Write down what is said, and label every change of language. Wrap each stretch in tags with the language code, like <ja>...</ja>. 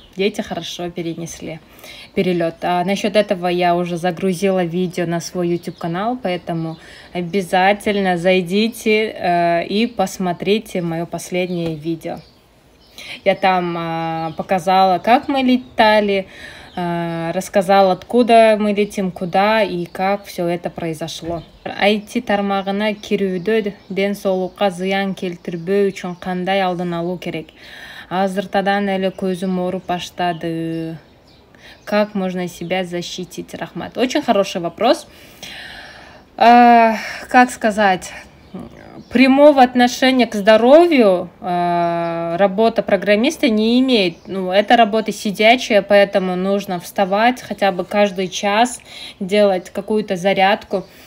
<ru>Дети хорошо перенесли перелет. А насчет этого я уже загрузила видео на свой YouTube канал, поэтому обязательно зайдите и посмотрите мое последнее видео. Я там показала, как мы летали, рассказала, откуда мы летим, куда и как все это произошло.</ru> <ky>Айти тармагына кирүүдө ден соолукка зыян келтирбөө үчүн кандай алдын алуу керек? Азыртадан эле көзүм ооруп баштады.</ky> <ru>Как можно себя защитить, Рахмат? Очень хороший вопрос. Как сказать? Прямого отношения к здоровью работа программиста не имеет. Ну, это работа сидячая, поэтому нужно вставать хотя бы каждый час, делать какую-то зарядку.</ru>